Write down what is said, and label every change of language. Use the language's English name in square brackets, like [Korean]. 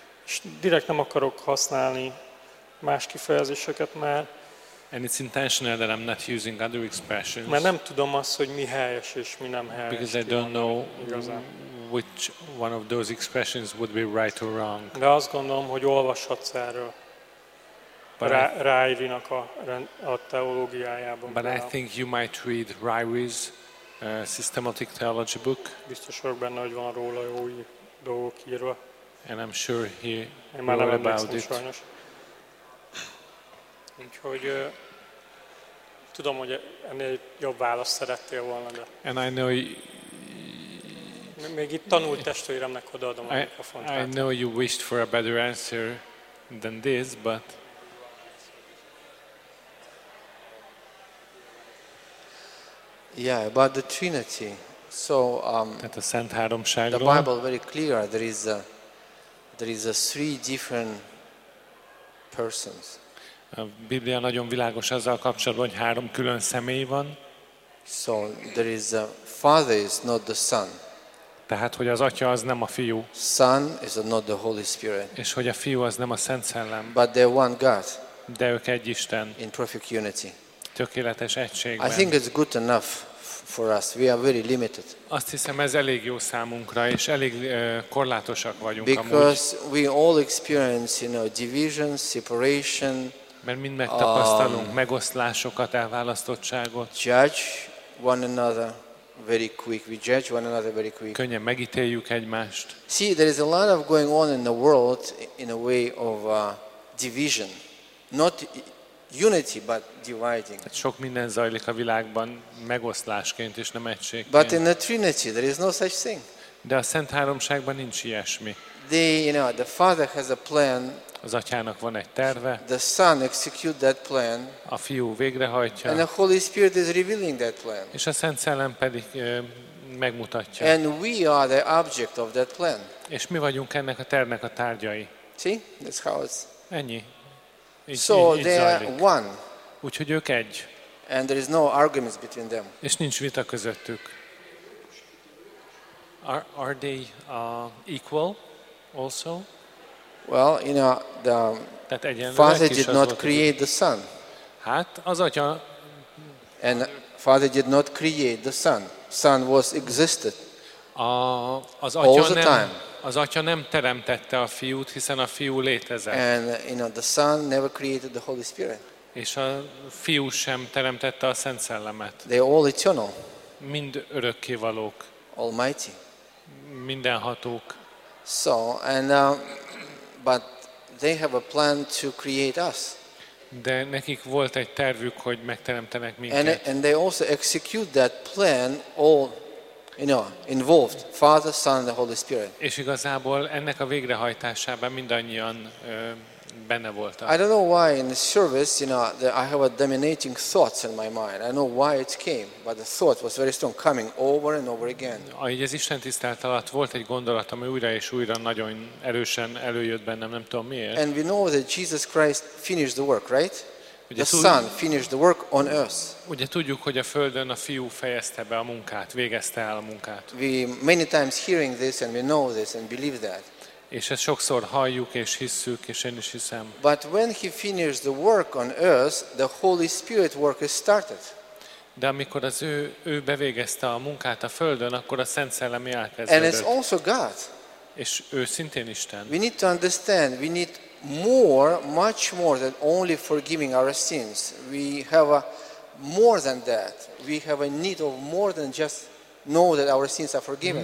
[Hungarian] És direkt nem akarok használni más kifejezéseket már. [English] And it's intentional that I'm not using other expressions. [Hungarian] Mert nem tudom azt, hogy mi helyes és mi nem helyes. [English] Because I don't know which one of those expressions would be right or wrong. [Hungarian] De azt gondolom, hogy olvashatsz erről. Ryrie-nak a teológiájában. [English] But I think you might read Ryrie's systematic theology book. [Hungarian] Biztos vagyok benne, hogy van róla jó dolgok írva. [English] And I'm sure he wrote about it. [Hungarian] Úgyhogy tudom, hogy ennél jobb választ szerettél volna, de... [English] And I know [Hungarian] még itt tanult testvéremnek odaadom a mikrofont. [English] I know you wished for a better answer than this, but... Yeah, about the Trinity. So, [Hungarian] tehát a Szent Háromságról. [English] The Bible very clear, there is a three different persons. [Hungarian] A Biblia nagyon világos azzal kapcsolatban, hogy három külön személy van. [English] So there is a Father is not the Son. [Hungarian] Tehát hogy az Atya az nem a Fiú. [English] Son is not the Holy Spirit. [Hungarian] És hogy a Fiú az nem a Szent Szellem. [English] But they're one God. [Hungarian] De ők egy Isten. [English] In perfect unity. [Hungarian] Tökéletes egységben. [English] I think it's good enough for us. We are very limited. [Hungarian] Azt hiszem ez elég jó számunkra és elég korlátosak vagyunk. [English] Because [Hungarian] amúgy. [English] We all experience, you know, division, separation. [Hungarian] Mert mind megtapasztalunk megoszlásokat, elválasztottságot. [English] Judge one another very quick. We judge one another very quick. [Hungarian] Könnyen megítéljük egymást. [English] See, there is a lot of going on in the world in a way of division, not unity, but dividing. [Hungarian] Sok minden zajlik a világban megoszlásként és nem egységként. [English] But in the Trinity there is no such thing. [Hungarian] De a Szent Háromságban nincs ilyesmi. [English] The, you know, the Father has a plan. [Hungarian] Az Atyának van egy terve. [English] The Son execute that plan. [Hungarian] A Fiú végrehajtja. [English] And the Holy Spirit is revealing that plan. [Hungarian] És a Szent Szellem pedig megmutatja. [English] And we are the object of that plan. [Hungarian] És mi vagyunk ennek a tervnek a tárgyai. [English] See? That's how it's... [Hungarian] Ennyi. [English] So they are one. [Hungarian] Úgyhogy ők egy. [English] And there is no arguments between them. [Hungarian] És nincs vita közöttük. [English] Are they equal also? Well, you know, the Father did not create the Son. [Hungarian] Hát az Atya. [English] And Father did not create the Son. Son was existed. [Hungarian] Az Atya [English] all the time. [Hungarian] Az Atya nem teremtette a Fiút, hiszen a Fiú létezett. [English] And you know, the Son never created the Holy Spirit. [Hungarian] És a Fiú sem teremtette a Szent Szellemet. [English] They all eternal. [Hungarian] Mind örökkévalók. [English] Almighty. [Hungarian] Mindenhatók. [English] So and but they have a plan to create us. [Hungarian] De nekik volt egy tervük, hogy megteremtenek minket. [English] And they also execute that plan all, you know, involved Father, Son and the Holy Spirit. [Hungarian] És igazából ennek a végrehajtásában mindannyian benne voltak. [English] I don't know why in the service, you know, I have a dominating thoughts in my mind. I don't know why it came, but the thought was very strong, coming over and over again. [Hungarian] Ahogy az istentisztelet alatt volt egy gondolat, ami újra és újra nagyon erősen előjött bennem, nem tudom miért. [English] And we know that Jesus Christ finished the work, right? The Son finished the work on earth. [Hungarian] Ugye tudjuk, hogy a Földön a Fiú fejezte be a munkát, végezte el a munkát. [English] We many times hearing this and we know this and believe that. [Hungarian] És ezt sokszor halljuk és hisszük, és én is hiszem. [English] But when he finished the work on earth, the Holy Spirit work is started. [Hungarian] De amikor az ő bevégezte a munkát a Földön, akkor a Szent Szellem elkezdődött. [English] And it's also God. [Hungarian] És ő szintén Isten. [English] We need to understand, we need more, much more than only forgiving our sins. We have a more than that. We have a need of more than just know that our sins are forgiven.